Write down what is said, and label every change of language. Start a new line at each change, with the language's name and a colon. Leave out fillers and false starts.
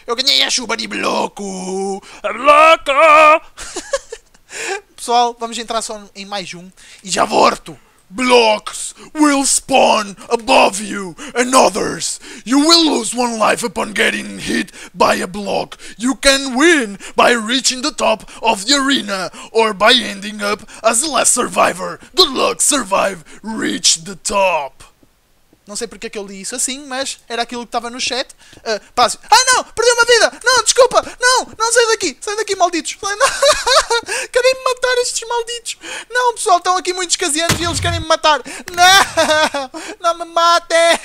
Portuguese: Eu ganhei a chuva de bloco. Loco. Pessoal, vamos entrar só em mais um. E já volto.
English: Blocks will spawn above you and others. You will lose one life upon getting hit by a block. You can win by reaching the top of the arena or by ending up as the last survivor. Good luck, survive, reach the top.
Portuguese: Não sei porque é que eu li isso assim, mas era aquilo que estava no chat. Passo. Ah não! Perdi uma vida! Não, desculpa! Não! Não, sai daqui! Sai daqui, malditos! Querem me matar estes malditos! Não, pessoal, estão aqui muitos casianos e eles querem me matar! Não! Não me matem!